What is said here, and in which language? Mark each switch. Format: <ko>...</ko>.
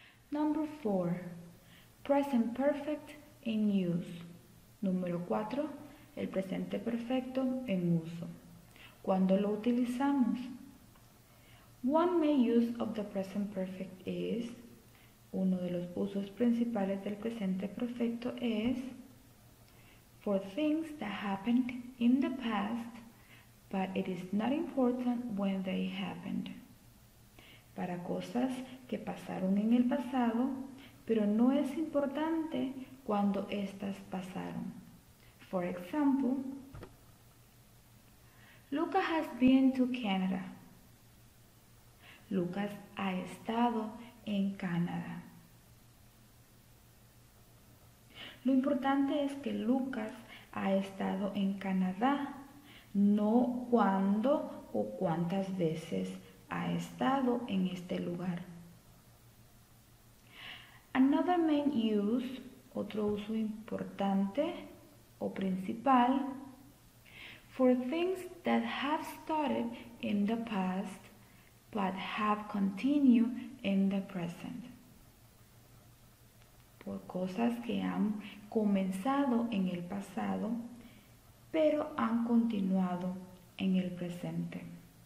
<en>Number 4. Present perfect in use.</en> <es>Número 4. El presente perfecto en uso. ¿Cuándo lo utilizamos?</es> <en>One main use of the present perfect is.</en> <es>Uno de los usos principales del presente perfecto es.</es> <en>For things that happened in the past, but it is not important when they happened.</en> <es>Para cosas que pasaron en el pasado, pero no es importante cuando estas pasaron.</es> <en>For example, Lucas has been to Canada.</en> <es>Lucas ha estado en Canadá. Lo importante es que Lucas ha estado en Canadá, no cuándo o cuántas veces ha estado en este lugar.</es> <en>Another main use,</en> <es>otro uso importante o principal,</es> <en>for things that have started in the past but have continued in the present.</en> <es>Por cosas que han comenzado en el pasado pero han continuado en el presente.</es>